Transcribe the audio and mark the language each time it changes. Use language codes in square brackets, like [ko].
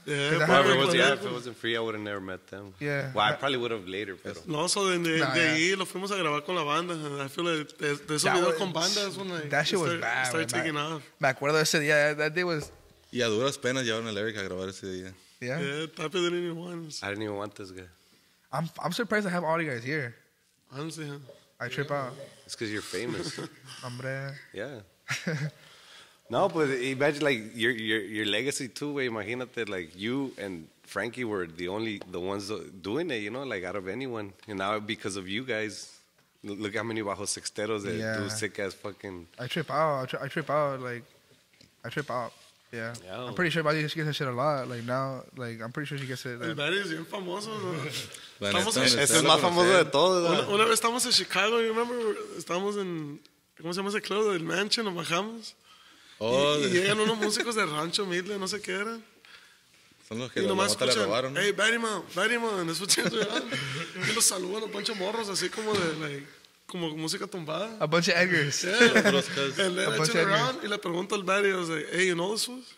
[en] Yeah, if it wasn't free, I would have never met them. Yeah. Well, I probably would have later, pero. [es] No, so de ahí lo fuimos a grabar con la banda. [en] I feel like [es] de esos videos con banda es una. [en] That shit was bad. Enough. [es] Me acuerdo ese día, [en] that day was. [es] Y a duras penas llevaron a Eric a grabar ese día. [en] Yeah. Yeah, Tapia didn't even want. I didn't even want this guy. I'm surprised I have all you guys here. Honestly, I trip out. It's because you're famous. [es] Hombre. [en] Yeah. No, but imagine like your legacy too. [es] Wey, imagínate [en] like you and Frankie were the ones doing it. You know, like out of anyone, and now because of you guys. Look how many bajo sexteros that do sick ass fucking. I trip out. Yeah. Yo. I'm pretty sure about you. She gets that shit a lot. Like now, like I'm pretty sure she gets it. [es] El Barry es bien famoso. Es el más famoso de todos. Una vez estamos en Chicago. [en] You remember? [es] Estamos en ¿cómo se llama ese club? El Mansion. Nos bajamos. Oh. Y llegan unos músicos de Rancho Midland. No sé qué eran. Y nomás escuchan, hey, Batty Man, escuchan, y los saludan a un poncho morros, así como de, like, como música tumbada. [en] A bunch of Edgars. Yeah. A bunch of Edgars. [es] Y le pregunto al Batty, [en] I was like, hey, you know this one?